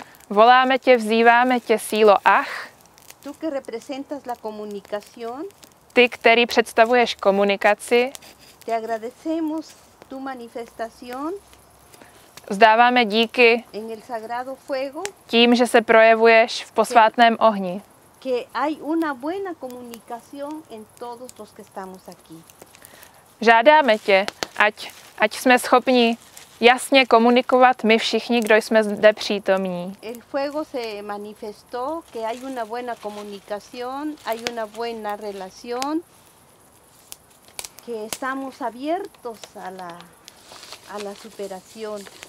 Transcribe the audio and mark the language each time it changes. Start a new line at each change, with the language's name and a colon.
Czech: Voláme tě, vzýváme tě, sílo Ach.
Spanish: Tú que representas la comunicación.
Czech: Ty, který představuješ komunikaci.
Spanish: Te agradecemos tu manifestación.
Czech: Vzdáváme díky
Spanish: en el sagrado fuego,
Czech: tím, že se projevuješ v posvátném ohni.
Spanish: Que hay una buena comunicación en todos los que estamos aquí.
Czech: Žádáme tě, ať jsme schopni jasně komunikovat my všichni, kdo jsme zde přítomní.
Spanish: El fuego se manifestó que hay una buena comunicación, hay una buena relación, que estamos abiertos a la superación.